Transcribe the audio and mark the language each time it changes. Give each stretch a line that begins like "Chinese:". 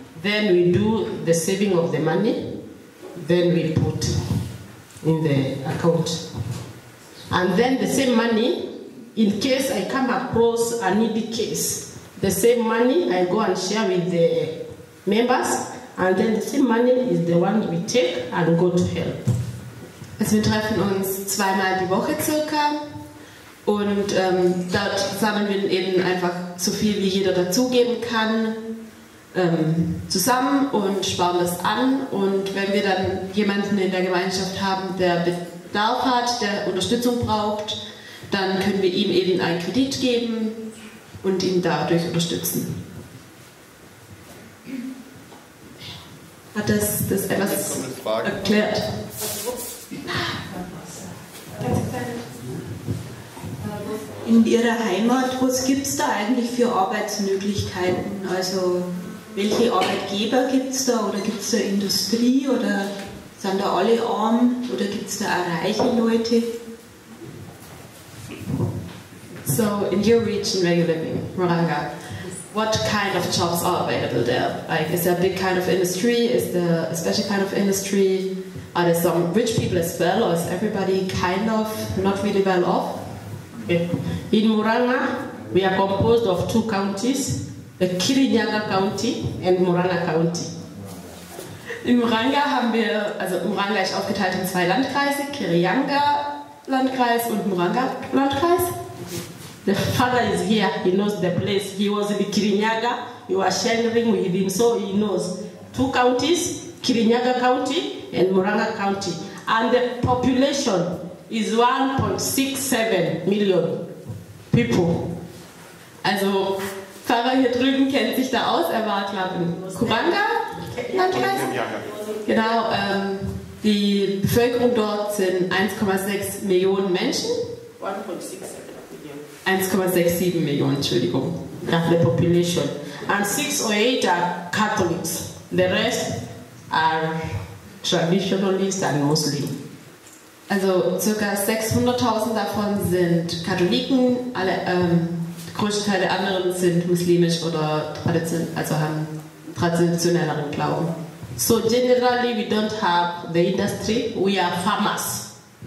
English: Then we do the saving of the money. Then we put in the account. And then the same money, in case I come across a needy case, the same money I go and share with the members. And then the same money is the one we take and go to help.
German: Also wir treffen uns 2x die Woche circa. Und dort sammeln wir eben einfach so viel, wie jeder dazugeben kann, zusammen und sparen das an. Und wenn wir dann jemanden in der Gemeinschaft haben, der Bedarf hat, der Unterstützung braucht, dann können wir ihm eben einen Kredit geben und ihn dadurch unterstützen. Hat das etwas erklärt? In Ihrer Heimat, was gibt es da eigentlich für Arbeitsmöglichkeiten? Also welche Arbeitgeber gibt es da oder gibt es da Industrie oder sind da alle arm oder gibt es da auch reiche Leute?
English: So in your region where you're living, Moranga, what kind of jobs are available there? Like is there a big kind of industry? Is there a special kind of industry? Are there some rich people as well or is everybody kind of not really well off? Okay. In Murang'a, we are composed of 2 counties, the Kirinyaga County and Murang'a County.
German: In Murang'a haben wir, also Murang'a ist aufgeteilt in 2 Landkreise, Kirinyaga Landkreis und Murang'a Landkreis.
English: The father is here, he knows the place. He was in Kirinyaga, you are sharing with him, so he knows. 2 counties, Kirinyaga County and Murang'a County. And the population is 1.67 million people.
German: Also, Pfarrer hier drüben kennt sich da aus. Er war, glaube ich, in Kuranga. Genau, die Bevölkerung dort sind 1,6 Millionen Menschen. 1,67 Millionen, Entschuldigung.
English: That's the population. And 6 or 8 are Catholics. The rest are traditionalists and Muslims.
German: Also ca. 600.000 davon sind Katholiken, alle größte Teil der anderen sind muslimisch oder traditionell, also haben traditionelleren Glauben.
English: So generally we don't have the industry, we are farmers.